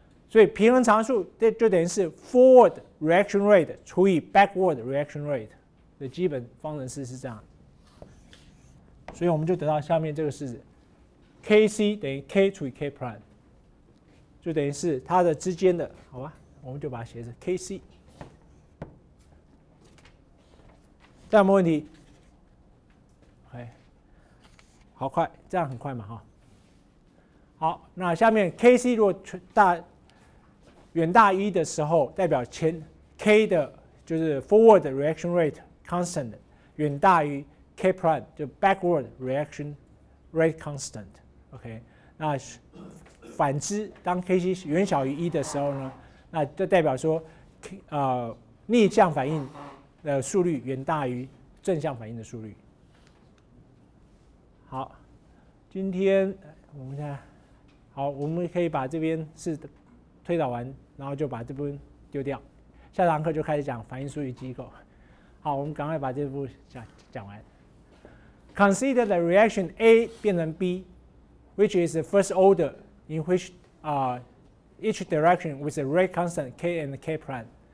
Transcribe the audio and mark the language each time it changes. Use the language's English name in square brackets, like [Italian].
[Chinese] 所以平衡常数就等于是 forward reaction rate 除以 backward reaction rate 的基本方程式是这样，所以我们就得到下面这个式子 ，Kc 等于 K 除以 K prime， 就等于是它的之间的，好吧？我们就把它写成 Kc。这样没问题 ，OK， 好快，这样很快嘛哈。好，那下面 Kc 如果大远大一的时候，代表前 K 的就是 forward reaction rate constant 远大于 K prime 就 backward reaction rate constant。 OK， 那反之，当 Kc 远小于一的时候呢，那就代表说，逆向反应的速率远大于正向反应的速率。好，今天我们现在好，我们可以把这边是推导完。然后就把这部分丢掉，下堂课就开始讲反应速率机构。好，我们赶快把这部分 讲完。 [English] Consider the reaction A 变成 B, which is the first order in which each direction with a rate constant K and K prime.